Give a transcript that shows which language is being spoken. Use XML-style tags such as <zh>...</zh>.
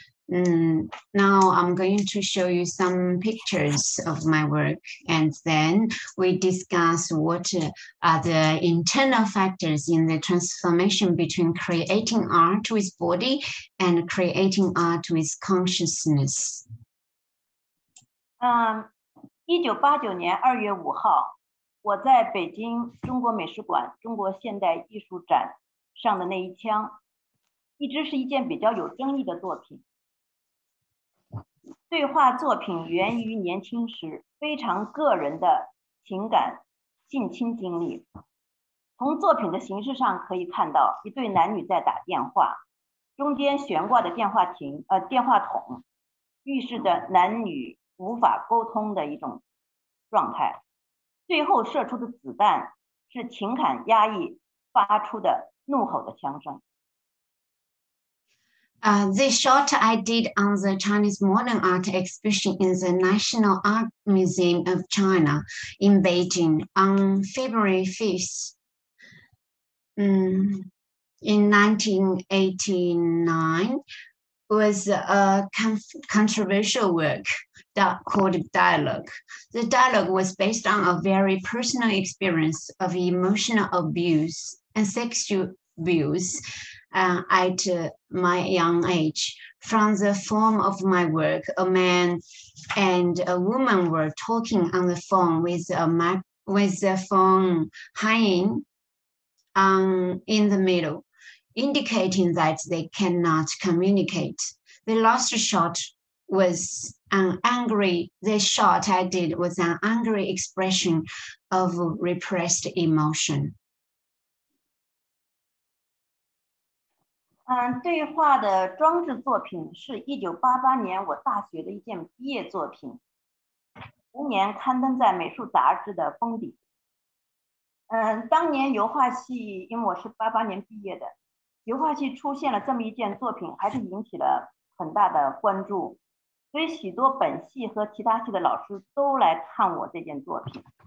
<en>Now I'm going to show you some pictures of my work, and then we discuss what are the internal factors in the transformation between creating art with body and creating art with consciousness.</en> <zh>1989年二月五号，我在北京中国美术馆中国现代艺术展上的那一枪，一直是一件比较有争议的作品。对话作品源于年轻时非常个人的情感性侵经历。从作品的形式上可以看到，一对男女在打电话，中间悬挂的电话筒，预示着男女无法沟通的一种状态。最后射出的子弹是情感压抑发出的怒吼的枪声。</zh> <en>The shot I did on the Chinese modern art exhibition in the National Art Museum of China in Beijing on February 5th, in 1989, was a controversial work called Dialogue. The dialogue was based on a very personal experience of emotional abuse and sexual abuse. At my young age, from the form of my work, a man and a woman were talking on the phone with the phone hanging in the middle, indicating that they cannot communicate. The last shot was an angry, the shot I did was an angry expression of repressed emotion.</en> <zh>对话的装置作品是1988年我大学的一件毕业作品，同年刊登在美术杂志的封底。当年油画系，因为我是88年毕业的，油画系出现了这么一件作品，还是引起了很大的关注，所以许多本系和其他系的老师都来看我这件作品。</zh>